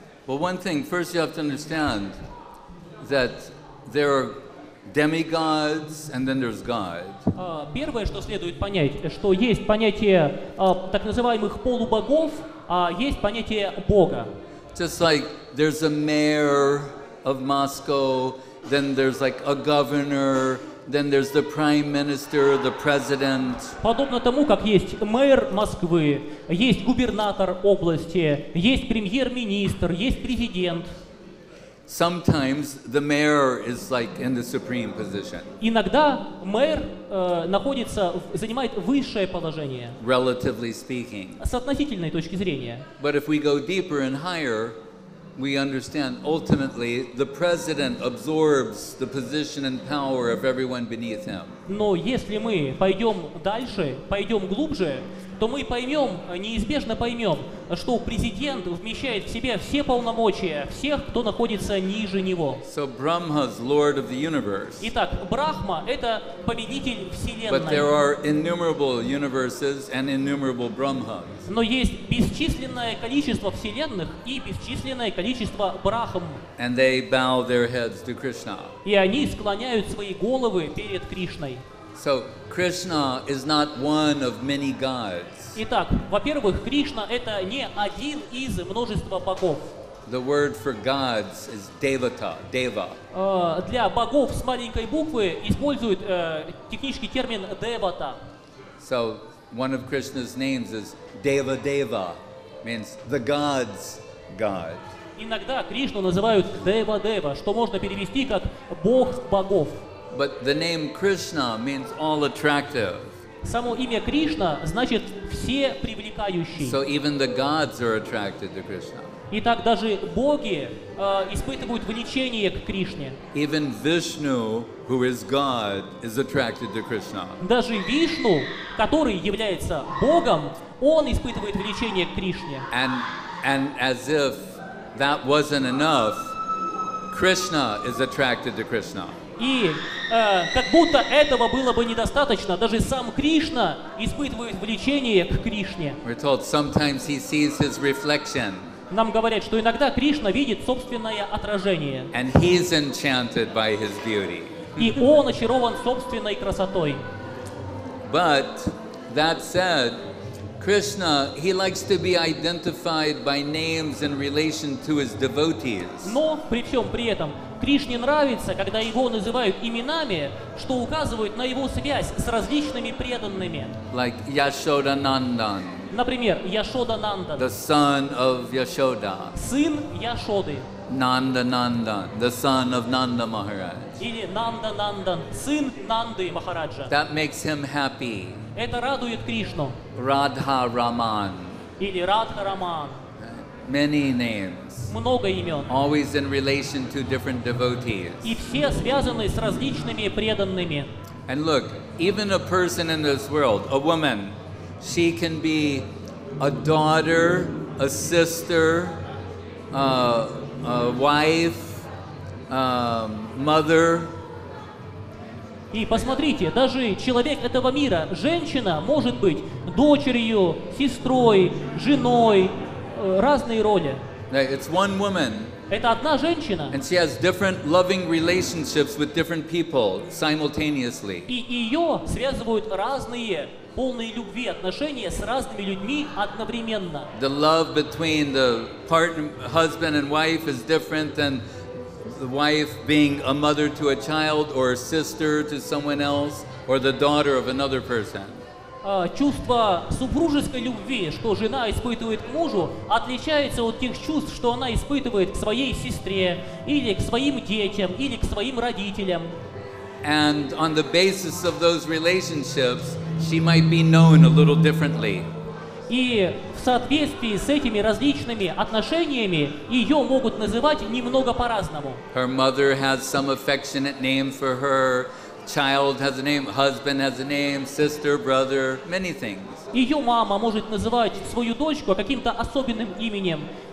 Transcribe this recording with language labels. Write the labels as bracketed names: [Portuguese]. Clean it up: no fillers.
[English] Well, one thing, first you have to understand that there are demigods and then there's God. [Russian] Первое, что следует понять, что есть понятие так называемых полубогов, а есть понятие Бога. [English] Just like there's a mayor of Moscow, then there's like a governor, then there's the prime minister, the president. [Russian] Подобно тому, как есть мэр Москвы, есть губернатор области, есть премьер-министр, есть президент. [English] Sometimes the mayor is like in the supreme position. [Russian] Иногда мэр находится, занимает высшее положение. [English] Relatively speaking. [Russian] С относительной точки зрения. [English] But if we go deeper and higher, we understand ultimately the president absorbs the position and power of everyone beneath him. [Russian] Но если мы пойдем дальше, пойдем глубже, то мы поймем, неизбежно поймем, что президент вмещает в себя все полномочия всех, кто находится ниже него. [English] So Brahma's lord of the universe. [Russian] Итак, Брахма — это победитель вселенной. [English] But there are innumerable universes and innumerable Brahmas. [Russian] Но есть бесчисленное количество вселенных и бесчисленное количество Брахм. [English] And they bow their heads to Krishna. [Russian] И они склоняют свои головы перед Кришной. [English] So Krishna is not one of many gods. [Russian] Итак, во-первых, Кришна это не один из множества богов. [English] The word for gods is devata, deva. [Russian] Для богов с маленькой буквы используют технический термин devata. [English] So one of Krishna's names is deva deva, means the gods' god. [Russian] Иногда Кришну называют дева дева, что можно перевести как бог богов. [English] But the name Krishna means all attractive. [Russian] Само имя Кришна значит все привлекающие. [English] So even the gods are attracted to Krishna. [Russian] Итак, даже боги испытывают влечение к Кришне. [English] Even Vishnu, who is God, is attracted to Krishna. [Russian] Даже Вишну, который является богом, он испытывает влечение к Кришне. [English] And as if that wasn't enough, Krishna is attracted to Krishna. [Russian] И как будто этого было бы недостаточно, даже сам Кришна испытывает влечение к Кришне. [English] We're told sometimes he sees his reflection. [Russian] Нам говорят, что иногда Кришна видит собственное отражение. [English] And he's enchanted by his beauty. [Russian] И он очарован собственной красотой. [English] But that said, Krishna, he likes to be identified by names in relation to his devotees. [Russian] Но при всем при этом Кришне нравится, когда его называют именами, что указывают на его связь с различными преданными. [English] Like Yashoda Nandan. [Russian] Например, Яшода Нандан. [English] The son of Yashoda. [Russian] Сын Яшоды. [English] Nanda Nandan, the son of Nanda Maharaj. [Russian] Или Нанда Нандан, сын Нанды Махараджа. [English] That makes him happy. [Russian] Это радует Кришну. [English] Radha Raman. [Russian] Или Radha Raman. [English] Many names. [Russian] Много имен. [English] Always in relation to different devotees. [Russian] И все связаны с различными преданными. [English] And look, even a person in this world, a woman, she can be a daughter, a sister, a wife, mother. [Russian] И посмотрите, даже человек этого мира, женщина, может быть дочерью, сестрой, женой, разные роли. [English] It's one woman. [Russian] Это одна женщина. [English] And she has different loving relationships with different people simultaneously. [Russian] И ее связывают разные полные любви отношения с разными людьми одновременно. [English] The love between the partner, husband and wife is different than the wife being a mother to a child or a sister to someone else or the daughter of another person. [Russian] Чувство супружеской любви, что жена испытывает к мужу, отличается от тех чувств, что она испытывает к своей сестре или к своим детям или к своим родителям. [English] And on the basis of those relationships, she might be known a little differently. [Russian] И в соответствии с этими различными отношениями ее могут называть немного по-разному. [English] Her mother has some affectionate name for her. Child has a name, husband has a name, sister, brother, many things. [Russian] Ее мама может называть свою дочку каким-то особенным именем.